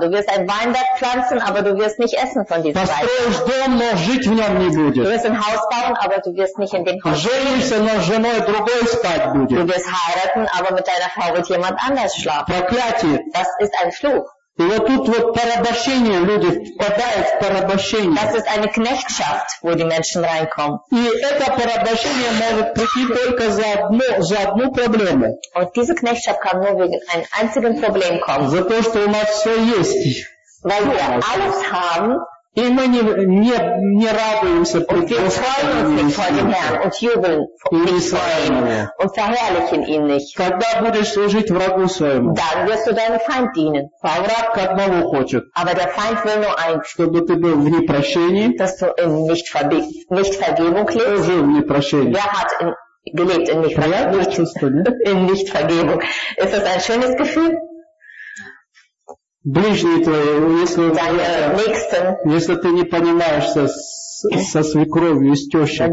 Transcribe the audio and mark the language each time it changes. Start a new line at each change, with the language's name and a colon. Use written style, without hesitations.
German: Du wirst ein Weinberg pflanzen, aber du wirst nicht essen von diesem Weinberg. Du wirst ein Haus bauen, aber du wirst nicht in dem Haus leben. Du wirst heiraten, aber mit deiner Frau wird jemand anders schlafen. Das ist ein Fluch.
Russian: И вот тут вот порабощение, люди попадают в порабощение.
German: Das ist eine Knechtschaft, wo die Menschen reinkommen.
Russian: И это порабощение может прийти только за одну проблему.
German: Und diese Knechtschaft kann nur wegen einem einzigen Problem kommen.
Russian: За то, что у нас все есть.
German: Weil wir alles haben.
Russian: И мы не радуемся пред Господом и Своим.
German: И verherrlichen ihn nicht.
Russian: Когда будешь служить врагу своему?
German: Dann wirst du deinem Feind dienen.
Russian: А враг к одному хочет.
German: Aber der Feind will nur eins.
Russian: Чтобы ты был в непрощении.
German: Dass du in Nichtvergebung lebst.
Russian: Ты жил в непрощении.
German: Wer hat gelebt in Nichtvergebung? In Nichtvergebung. Ist das ein schönes Gefühl?
Russian: Ближний твой, если ты не понимаешь со свекровью и с тещей,